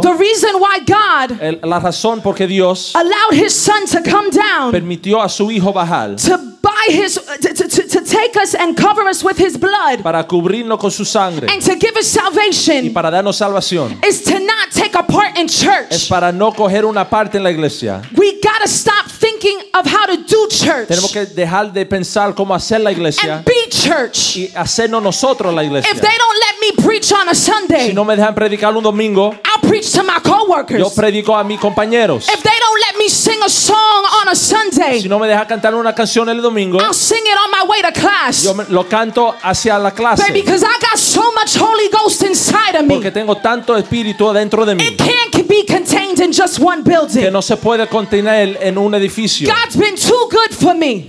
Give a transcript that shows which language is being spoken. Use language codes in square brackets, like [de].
[en] The reason why God. [es] La razón porque Dios. [en] Allowed His Son to come down. [es] Permitió a su hijo bajar. [en] To take us and cover us with His blood, [es] para cubrirnos con su sangre, [en] and to give us salvation, [es] y para darnos salvación, [en] is to not take a part in church. [es] Es para no coger una parte en la iglesia. [en] We gotta stop thinking of how to do church. [es] Tenemos que dejar de pensar cómo hacer la iglesia. [en] And be church. [es] Y hacernos nosotros la iglesia. [en] If they don't let me preach on a Sunday, [es] si no me dejan predicar un domingo, [en] I'll preach to my coworkers. [es] Yo predico a mis compañeros. [en] If they don't let me sing a song on a Sunday, [es] si no me dejan cantar una canción el domingo, [en] I'll sing it on my way to class. [es] Yo lo canto hacia la clase. [en] Baby, because I got so much Holy Ghost inside of me. [es] Porque tengo tanto espíritu dentro de mí. [en] It can't be contained in just one building. [es] Que no se puede contener en un edificio. [en] God's been too good for me.